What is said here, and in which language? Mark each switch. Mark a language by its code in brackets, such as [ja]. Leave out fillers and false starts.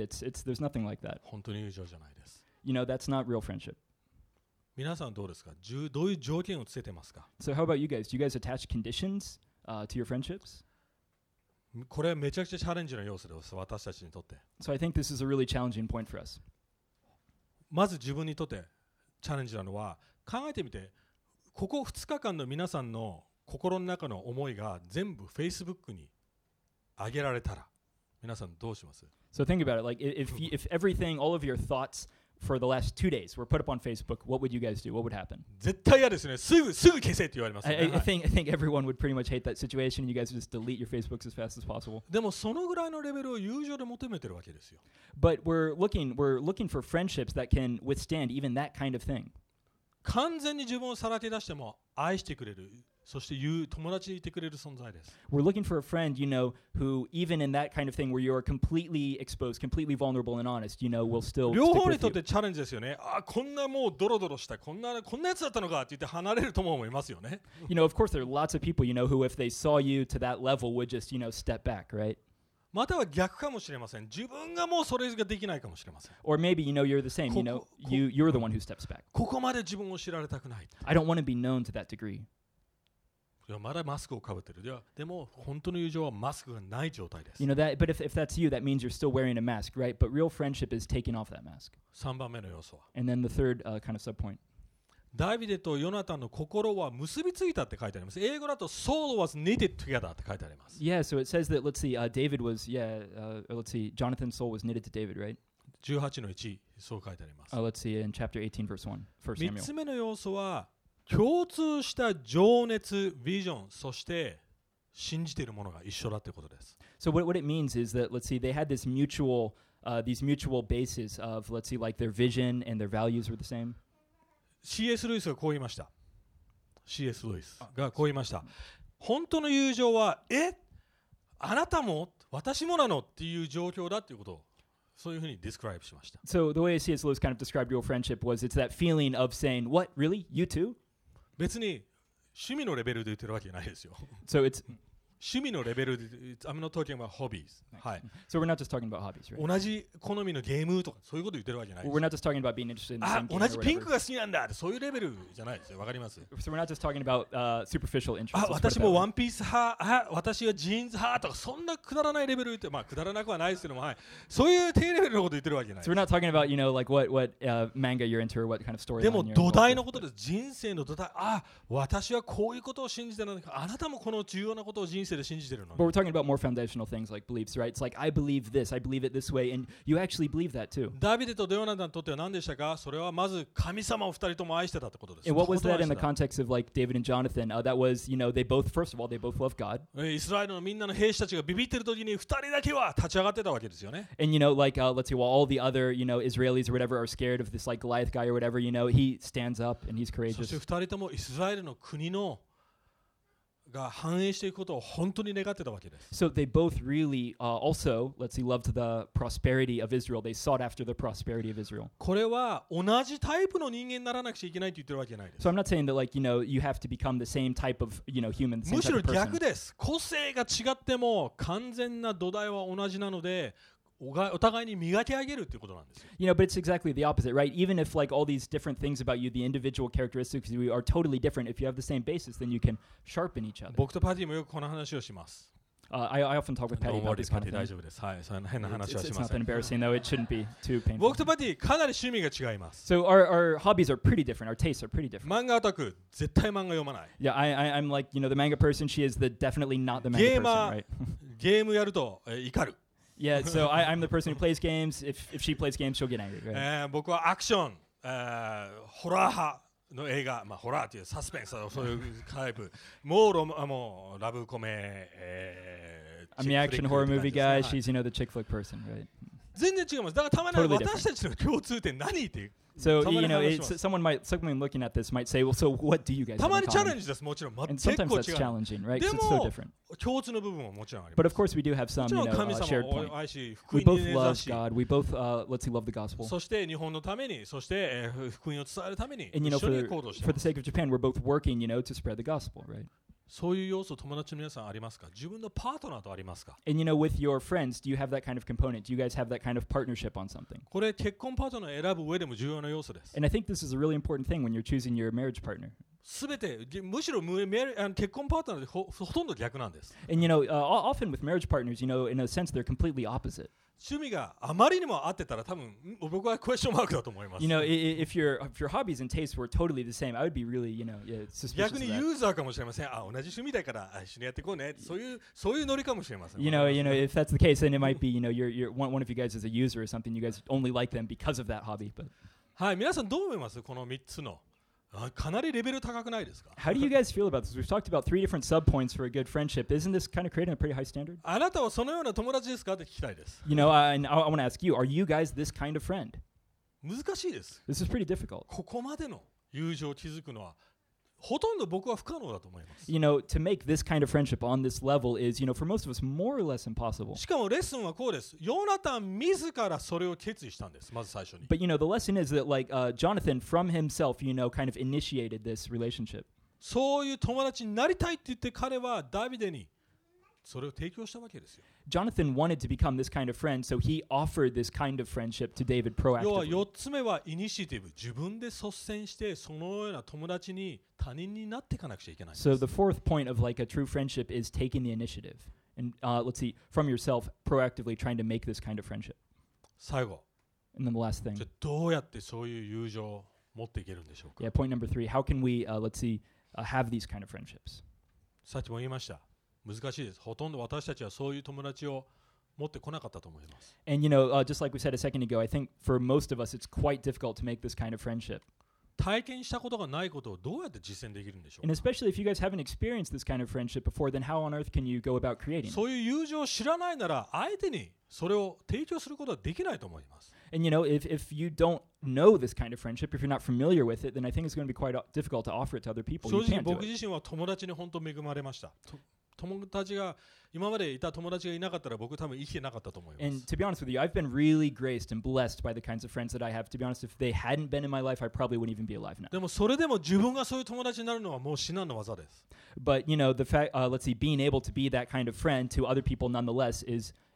[en] It's there's nothing like that. [ja] 本当に友情じゃないです。 [en] You know, that's not real friendship. [ja] 皆さんどうですか？どういう条件をつけてますか [en] ？So how about you guys? Do you guys attach conditions, to your friendships? [ja] これはめちゃくちゃチャレンジの要素です、私たちにとって。 [en] So I think this is a really challenging point for us. [ja] まず自分にとってチャレンジなのは考えてみて、ここ2日間の皆さんの心の中の思いが全部 Facebook に上げられたら皆さんどうします? [en] So think about it. Like if everything, all of your thoughts for the last two days were put up on Facebook, what would you guys do? What would happen? [ja] 絶対嫌ですね。すぐ消せって言われますね。 [en] I think everyone would pretty much hate that situation. You guys would just delete your Facebook as fast as possible. [ja] でもそのぐらいのレベルを友情で求めてるわけですよ。 [en] But we're looking for friendships that can withstand even that kind of thing. [ja] 完全に自分をさらけ出しても愛してくれる、そして友達でいてくれる存在です。 [en] We're looking for a friend, you know, who even in that kind of thing where you are completely exposed, completely vulnerable and honest, you know, will still stick with you. [ja] 両方にとってチャレンジですよね。あ、こんなもうドロドロした、こんなやつだったのかって言って離れる友もいますよね。 [en] You know, of course, there are lots of people, you know, who if they saw you to that level would just, you know, step back, right? [ja] または逆かもしれません。自分がもうそれができないかもしれません。 [en] Or maybe you know you're the same. You know you're the one who steps back. [ja] ここまで自分を知られたくない。 [en] I don't want to be known to that degree. [ja] いやまだマスクをかぶってる。いやでも本当の友情はマスクがない状態です。 [en] You know that, but if that's you, that means you're still wearing a mask, right? But real friendship is taking off that mask. [ja] 3番目の要素は。 [en] And then the third kind of subpoint. [ja] ダビデとヨナタンの心は結びついたって書いてあります。英語だと [en] Soul was knitted together [ja] って書いてあります。 [en] Yeah, so it says that, let's see, David was, yeah, let's see, Jonathan's soul was knitted to David, right? [ja] 18の1、そう書いてあります。 [en] Let's see in chapter 18, verse 1, 1 Samuel. 3 [ja] つ目の要素は、共通した情熱、ビジョン、そして信じているものが一緒だということです。 [en] So what it means is that, let's see, they had this mutual, these mutual bases of, let's see, like their vision and their values were the same. [ja] C.S. ルイスがこう言いました。 C.S. ルイスがこう言いました。本当の友情は、え？あなたも？私もなの？っていう状況だということを、そういうふうにディスクライブしました。 [en] So the way C.S. Lewis kind of described real friendship was, it's that feeling of saying, what, really? You too? [ja] 別に趣味のレベルで言ってるわけじゃないですよ。 [en] So it's... [ja] 趣味のレベルで、 [en] I'm not talking about hobbies. [ja] はい。 [en] So we're not just talking about hobbies, right? [ja] 同じ好みのゲームとか、そういうこと言ってるわけじゃないです。 [en] We're not just talking about being interested in the same game or whatever. [ja] 同じピンクが好きなんだって、そういうレベルじゃないですよ。わかります。 [en] So we're not just talking about superficial interests. [ja] 私もワンピース派、私はジーンズ派とか、そんなくだらないレベルって、まあくだらなくはないですけども、はい。そういう低レベルのこと言ってるわけじゃない。 [en] So we're not talking about, you know, like what manga you're into or what kind of story you're into. [ja] でも土台のことです。人生の土台。あ、私はこういうことを信じてるのか。あなたもこの重要なことを信じ [en] But we're talking about more foundational things like beliefs, right? It's like, I believe this, I believe it this way, and you actually believe that too. [ja] David and Jonathan にとっては何でしたか? それはまず神様を二人とも愛してたってことです。 [en] And what was that in the context of like David and Jonathan? That was, you know, they both, first of all, they both love God. [ja] イスラエルのみんなの兵士たちがビビってる時に二人だけは立ち上がってたわけですよね。 [en] And you know, like, let's see, while all the other, you know, Israelis or whatever are scared of this like Goliath guy or whatever, you know, he stands up and he's courageous. [ja] そして二人ともイスラエルの国のが繁栄していくことを本当に願ってたわけです。 [en] So they both really, also, let's see, loved the prosperity of Israel. They sought after the prosperity of Israel. [ja] これは同じタイプの人間にならなくちゃいけないと言ってるわけじゃないです。 [en] So I'm not saying that, like, you know, you have to become the same type of, you know, human. [ja] むしろ逆です。個性が違っても完全な土台は同じなので。お互いに磨き上げるっていうことなんですよ。 [en] You know, but it's exactly the opposite, right? Even if like all these different things about you, the individual characteristics we are totally different, if you have the same basis, then you can sharpen each other. [ja] 僕とパティもよくこの話をします。 [en] I often talk with Patty about this kind of thing. [ja] 大丈夫です。はい、そんな変な話はしません。 [en] It's not that embarrassing though. It shouldn't be too painful. [ja] 僕とパティかなり趣味が違います。 [en] So our hobbies are pretty different. Our tastes are pretty different. [ja] 漫画オタク、絶対漫画読まない。 [en] Yeah, I'm like, you know, the manga person. She is the definitely not the manga person, right? [ja] ゲームやると、怒る。 [en] Yeah, so I'm the person who plays games. If she plays games, she'll get angry. Right? [ja] 僕はアクション、ホラー派の映画、まあホラーというサスペンスそういうタイプ。もうもうラブコメ、 [en] I'm the action horror movie guy. She's, you know, the chick flick person, right? [ja] 全然違います。だからたまに、 [en] totally、 [ja] 私たちの共通点何って。 [en] So you know, someone looking at this might say, well, so what do you guys? [ja] たまにチャレンジです。もちろん、 [en] And sometimes that's challenging, right? Because it's so different. [ja] 共通の部分ももちろんあります。 [en] But of course, we do have some, you know, shared point. We both love God. We both, let's see, love the gospel. [ja] そして日本のために、そして福音を伝えるために、一緒に行動します。 [en] For the sake of Japan, we're both working, you know, to spread the gospel, right? [ja] そういう要素、友達の皆さんありますか？自分のパートナーとありますか？ [en] And you know, with your friends, do you have that kind of component? Do you guys have that kind of partnership on something? [ja] これ結婚パートナーを選ぶ上でも重要な要素です。 [en] And I think this is a really important thing when you're choosing your marriage partner. [ja] すべて、むしろ結婚パートナーでほとんど逆なんです。 [en] And you know, often with marriage partners, you know, in a sense, they're completely opposite. [ja] 趣味があまりにも合ってたら多分僕はクエスチョンマークだと思います。 [en] You know, if your hobbies and tastes were totally the same, I would be really, you know, yeah, suspicious. [ja] 逆にユーザーかもしれません。あ、同じ趣味だから一緒にやっていこうね。そういうノリかもしれません。 [en] You know, if that's the case, then it might be, you know, you're one of you guys is a user or something. You guys only like them because of that hobby. But [ja] はい、皆さんどう思います？この3つの。かなりレベル高くないですか? [en] How do you guys feel about this? We've talked about three different subpoints for a good friendship. Isn't this kind of creating a pretty high standard? [ja] あなたはそのような友達ですか? って聞きたいです。 [en] You know, I want to ask you, are you guys this kind of friend? [ja] 難しいです。 [en] This is pretty difficult. [ja] ここまでの友情を築くのはほとんど僕は不可能だと思います。 [en] You know, to make this kind of friendship on this level is, you know, for most of us, more or less impossible. [ja] しかもレッスンはこうです。ヨナタン自らそれを決意したんです。まず最初に。 [en] But, you know, the lesson is that, like, Jonathan from himself, you know, kind of initiated this relationship. [ja] そういう友達になりたいって言って彼はダビデにそれを提供したわけですよ。 [en] Jonathan wanted to become this kind of friend, so he offered this kind of friendship to David proactively. [ja] 要は4つ目はイニシアティブ。自分で率先してそのような友達に他人になっていかなくちゃいけない。 [en] So the fourth point of like a true friendship is taking the initiative. And let's see, from yourself, proactively trying to make this kind of friendship. [ja] 最後。 [en] And then the last thing. [ja] じゃあどうやってそういう友情を持っていけるんでしょうか? [en] Yeah, point number three. How can we, have these kind of friendships? [ja] さっきも言いました。難しいです。ほとんど私たちはそういう友達を持ってこなかったと思います。 [en] And you know,、just like we said a second ago, I think for most of us, it's quite difficult to make this kind of friendship. [ja] 体験したことがないことをどうやって実践できるんでしょう。 [en] And especially if you guys haven't experienced this kind of friendship before, then how on earth can you go about creating? [ja] そういう友情を知らないなら、相手にそれを提供することはできないと思います。 [en] And you know, if you don't know this kind of friendship, if you're not familiar with it, then I think it's going to be quite difficult to offer it to other people. [ja] 正直僕自身は友達に本当恵まれました。友達が今までいた友達がいなかったら僕多分生きてなかったと思います。 [en] And to be honest with you, I've been really graced and blessed by the kinds of friends that I have. To be honest, if they hadn't been in my life, I probably wouldn't even be alive now. [ja] でもそれでも自分がそういう友達になるのはもう至難の業です。 [en] But you know, the fact, let's see, being able to be that kind of friend to other people nonetheless is